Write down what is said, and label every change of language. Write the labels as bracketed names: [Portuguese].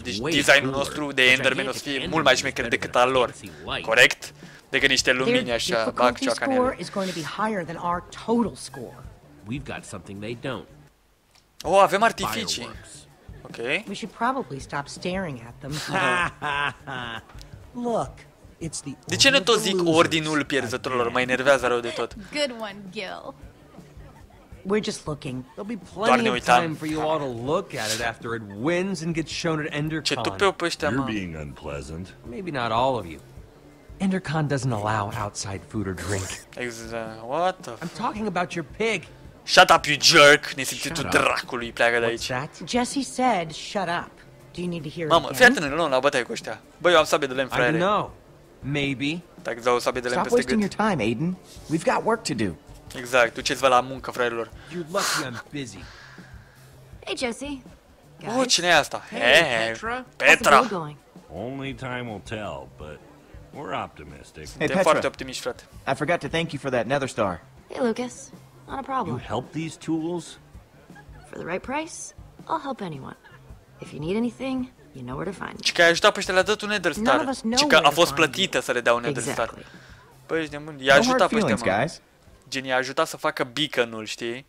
[Romanian] Deci designul nostru de Enderman o să fie mult mai șmecher decât al lor. Corect? Decât niște lumini așa, bag ciocanele. [English] Their difficulty score is going to be higher than our total score. We've got something they don't. [Romanian] Oh, avem artificii. Ok. [English] We should probably stop staring at them. Look, it's the. [Romanian] De ce nu tot zic ordinul pierzătorilor? Mă enervează rău de tot. [English] Good one, Gil. We're just looking. There'll be plenty of time for you all to look at it after it wins and gets shown at EnderCon. [Romanian] Ce tupeu pe ăștia, mă. [English] You're being unpleasant. Maybe not all of you. EnderCon doesn't allow outside food or drink. What the fuck? I'm talking about your pig. Shut up, you jerk! [Romanian] Nesimțitul dracului, pleacă de aici. [English] What's that? Jesse said, shut up. Do you need to hear [Romanian] mamă, [English] it again? [Romanian] Mamă, fii atent, nu la bătaie cu ăștia. Bă, eu am sabie de lemn, frere. [English] I know. Maybe. [Romanian] Dacă îți dau sabie de lemn peste gât. [English] Stop wasting your time, Aiden. We've got work to do. [Romanian] Exact, duceți-vă la muncă, frerilor. [English] You're lucky I'm busy. Hey, Jesse. [Romanian] Oh, cine-i asta? [English] Hey, Petra. Petra. Only time will tell, but we're optimistic. [Romanian] Hey, suntem foarte optimiști, frate. [English] I forgot to thank you for that nether star. Hey, Lucas. Not a problem. You help these tools? For the right price, I'll help anyone. If you need anything, you know where to find me. [Romanian] Cică ai ajutat pe ăștia, le-a dat un nether star. Cică a fost plătită să le dea un nether star. [English] Exactly. [Romanian] Păi, nemul, i-a ajutat pe ăștia, mă. Gen, i-a ajutat să facă beacon-ul, știi?